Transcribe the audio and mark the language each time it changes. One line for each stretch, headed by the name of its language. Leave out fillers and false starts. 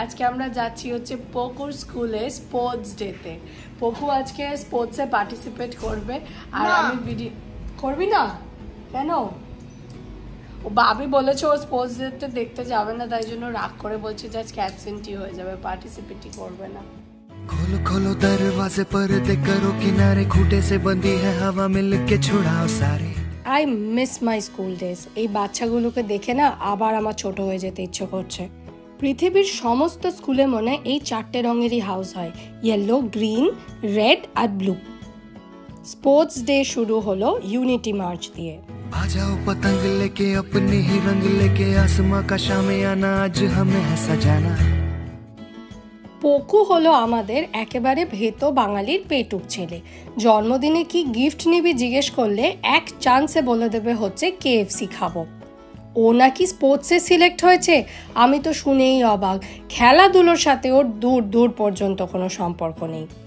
Bangla: আমরা যাচ্ছি হচ্ছে পকুর স্কুলে স্পোর্টস ডে তে। পকু আজকে স্পোর্টসে পার্টিসিপেট করবে। আর আমি করবি না কেন? ও বাবি বলেছে ও স্পোর্টস ডে দেখতে যাবে না, তাই জন্য রাগ করে বলছে যে আজকে অ্যাবসেন্টি হয়ে যাবে, পার্টিসিপেটই করবে না।
Hindi: खोलो खोलो दरवाजे पर्दे करो किनारे खूंटे से बंदी है हवा मिलके छुड़ाओ सारे।
English: I miss my school days.
Bangla: এই বাচ্চাগুলোকে দেখে না আবার আমার ছোট হয়ে যেতে ইচ্ছে করছে। পৃথিবীর সমস্ত স্কুলে মনে এই চারটে রঙেরই হাউস হয়, ইয়েলো, গ্রিন, রেড আর ব্লু। স্পোর্টস ডে শুরু হলো ইউনিটি মার্চ দিয়ে।
Hindi: जाओ पतंग लेके अपने ही रंग लेके आसमां का शामे आना आज हमें है सजाना।
Bangla: পকু হলো আমাদের একেবারে ভেত বাঙালির পেটুক ছেলে। জন্মদিনে কি গিফট নিবি জিজ্ঞেস করলে এক চান্সে বলে দেবে হচ্ছে KFC খাবো। ও নাকি স্পোর্টসে সিলেক্ট হয়েছে, আমি তো শুনেই অবাক। খেলাধুলোর সাথে ওর দূর দূর পর্যন্ত কোনো সম্পর্ক নেই।